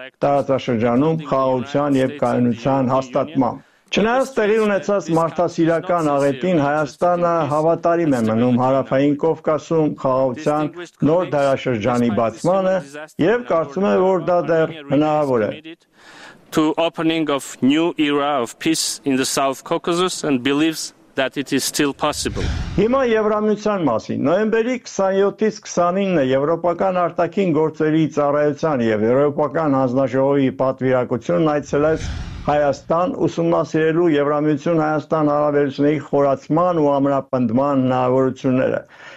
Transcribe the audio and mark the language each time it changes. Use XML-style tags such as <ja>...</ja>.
<hy>տարածաշրջանում խաղաղության և կայունության հաստատմամբ։ Չնայած տեղի ունեցած մարդասիրական աղետին, Հայաստանը հավատարիմ է մնում Հարավային Կովկասում խաղաղության նոր դարաշրջանի բացմանը և կարծում է, որ դա դեռ հնարավոր է։</hy> <en>To opening of new era of peace in the South Caucasus and believes that it is still possible.</en> <hy>Հիմա Եվրամիության մասին։ Նոյեմբերի 27-ից 29-ը Եվրոպական արտաքին գործերի ծառայության և Եվրոպական հանձնաժողովի պատվիրակությունն այցելեց Հայաստան, ուսումնասիրելու Եվրամիություն Հայաստան հարաբերությունների խորացման ու ամրապնդման հնարավորությունները։</hy>